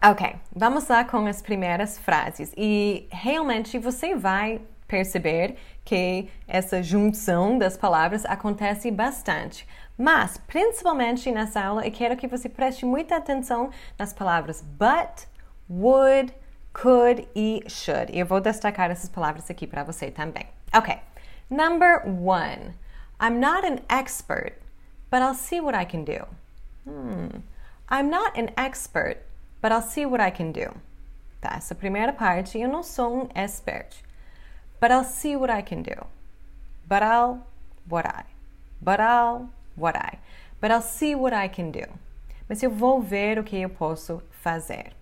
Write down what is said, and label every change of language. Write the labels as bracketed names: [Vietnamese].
[Portuguese] Ok, vamos lá com as primeiras frases e realmente você vai perceber que essa junção das palavras acontece bastante. Mas, principalmente nessa aula, eu quero que você preste muita atenção nas palavras but, would, could e should. Eu vou destacar essas palavras aqui para você também. [English] Ok. Number one. I'm not an expert, but I'll see what I can do. I'm not an expert, but I'll see what I can do. [Portuguese] Tá, essa primeira parte, eu não sou um expert. [English] But I'll see what I can do. But I'll, what I. But I'll, what I. But I'll see what I can do. [Portuguese] Mas eu vou ver o que eu posso fazer.